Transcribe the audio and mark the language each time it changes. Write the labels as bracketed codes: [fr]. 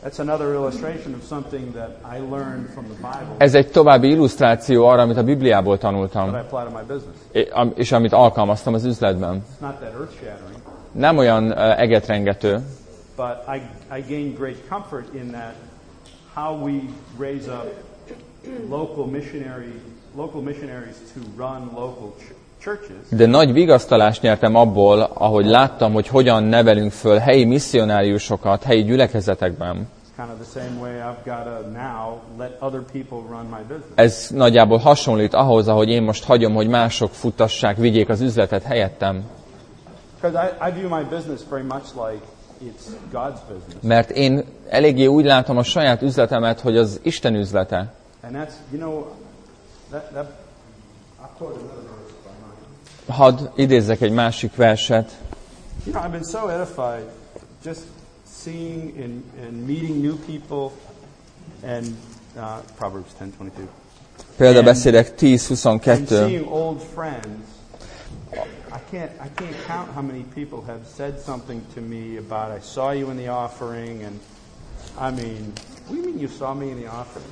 [en] That's another illustration of something that I learned from the Bible. [hu] Ez egy további illusztráció arra, amit a Bibliából tanultam. [en] But I apply to my business. [hu] És amit alkalmaztam az üzletben. [en] It's not that earth-shattering. [hu] Nem olyan egetrengető. [en] But I gain great comfort in that how we raise up local missionaries to run local churches. [hu] De nagy vigasztalást nyertem abból, ahogy láttam, hogy hogyan nevelünk föl helyi misszionáriusokat helyi gyülekezetekben. [en] Kind of the same way I've got to now let other people run my business. [hu] Ez nagyjából hasonlít ahhoz, ahogy én most hagyom, hogy mások futtassák, vigyék az üzletet helyettem. [en] Because I view my business very much like it's God's business. [hu] Mert én eléggé úgy látom a saját üzletemet, hogy az Isten üzlete. [en] And that's, you know, that I've told another verse by mine. [hu] Hadd idézzek egy másik verset. [en] You know, I've been so edified just seeing and meeting new people and Proverbs 10:22. [hu] Példabeszédek 10:22. [en] And seeing old friends. I can't count how many people have said something to me about I saw you in the offering and I mean, what do you mean you saw me in the offering?